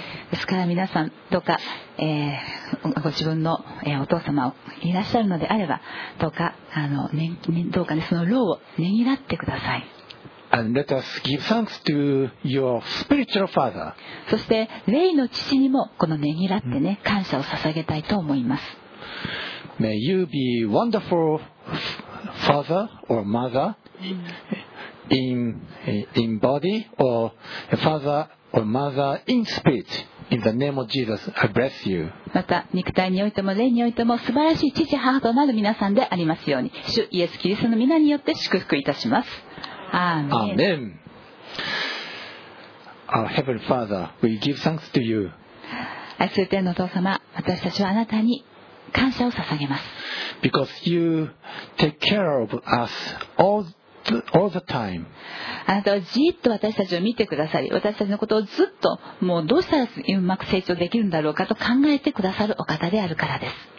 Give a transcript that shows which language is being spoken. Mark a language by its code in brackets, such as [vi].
[ja] ですから皆さんどうか、ご自分の、お父様をいらっしゃるのであればどうか、どうか、ね、その労をねぎらってください。 [en] And let us give thanks to your spiritual father. [ja] そして霊の父にもこのねぎらってね、感謝を捧げたいと思います。 [en] May you be wonderful. Father or mother in body or father or mother in spirit in the name of Jesus I bless you. [ja] また肉体においても霊においても素晴らしい父母となる皆さんでありますように主イエスキリストの皆によって祝福いたします。アーメン。 [en] Amen. Our Heavenly Father, we give thanks to you. [ja] 愛する天のお父様、私たちはあなたに感謝を捧げます。 [en] Because you take care of us all the time. [ja] あなたはじっと私たちを見てくださり、私たちのことをずっと、もうどうしたらうまく成長できるんだろうかと考えてくださるお方であるからです。